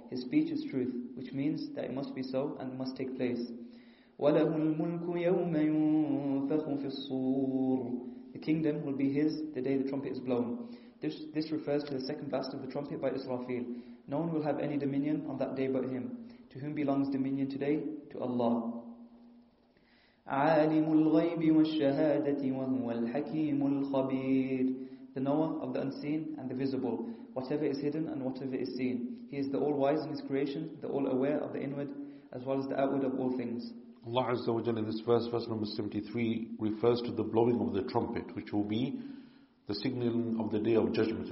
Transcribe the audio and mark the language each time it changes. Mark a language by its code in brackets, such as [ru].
[en] His speech is truth, which means that it must be so and must take place. [ar] وَلَهُ الْمُلْكُ يَوْمَ يُنْفَخُ فِي الصُّورِ. [en] The kingdom will be his the day the trumpet is blown. This refers to the second blast of the trumpet by Israfil. No one will have any dominion on that day but him. To whom belongs dominion today? To Allah. [ar] عالم الغيب والشهادة وهو الحكيم الخبير. [en] The knower of the unseen and the visible, whatever is hidden and whatever is seen. He is the all-wise in his creation, the all-aware of the inward as well as the outward of all things. Allah Azza wa Jalla in this verse, verse number 73, refers to the blowing of the trumpet, which will be the signaling of the day of judgment.